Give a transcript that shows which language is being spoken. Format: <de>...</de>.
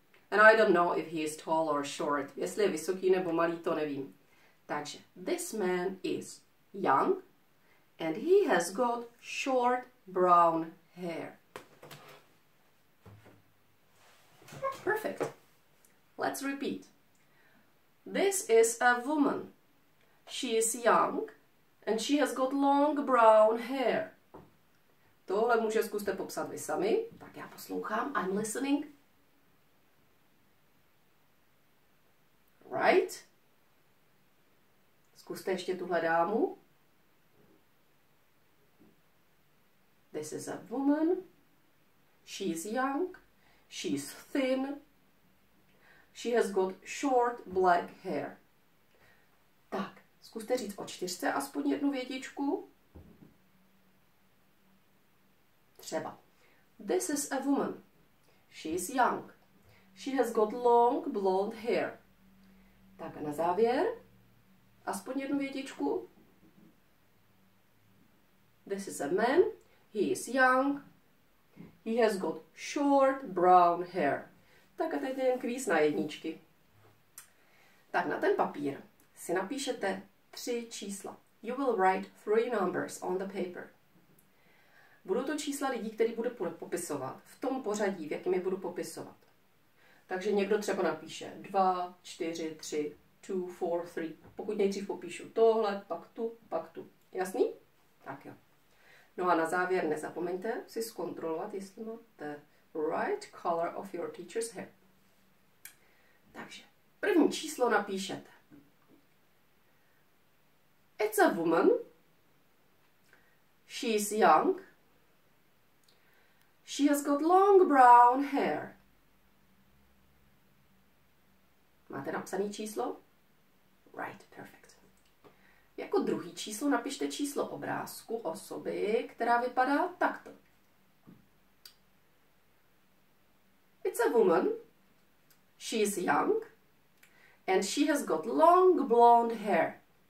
<en>And I don't know if he is tall or short.</en> <cs>Jestli je vysoký nebo malý, to nevím.</cs> <en>Takže, this man is young. And he has got short brown hair. Perfect. Let's repeat. This is a woman. She is young and she has got long brown hair.</en> <cs>Tohle může zkuste popsat vy sami. Tak já poslouchám.</cs> <en>I'm listening. Right?</en> <cs>Zkuste ještě tuhle dámu.</cs> <en>This is a woman, she is young, she is thin, she has got short black hair.</en> <cs>Tak, zkuste říct o čtyřce aspoň jednu větičku. Třeba.</cs> <en>This is a woman, she is young, she has got long blonde hair.</en> <cs>Tak a na závěr, aspoň jednu větičku. This is a man. He is young. He has got short brown hair. Tak a teď jen kvíz na jedničky. Tak na ten papír si napíšete tři čísla.</cs> <en>You will write three numbers on the paper.</en> <cs>Budou to čísla lidí, který budu popisovat v tom pořadí, v jakém je budu popisovat. Takže někdo třeba napíše 2, 4, 3, 2, 4, 3. Pokud nejdřív popíšu tohle, pak tu. Jasný? Tak jo. No a na závěr nezapomeňte si zkontrolovat, jestli máte</cs> <en>the right color of your teacher's hair.</en> <cs>Takže první číslo napíšete.</cs> <en>It's a woman. She's young. She has got long brown hair.</en> <cs>Máte napsané číslo?</cs> <en>Right, perfect.</en> <cs>Jako druhý číslu napište číslo obrázku osoby, která vypadá takto.</cs> <en>It's a woman. She is young and she has got long blonde hair.</en>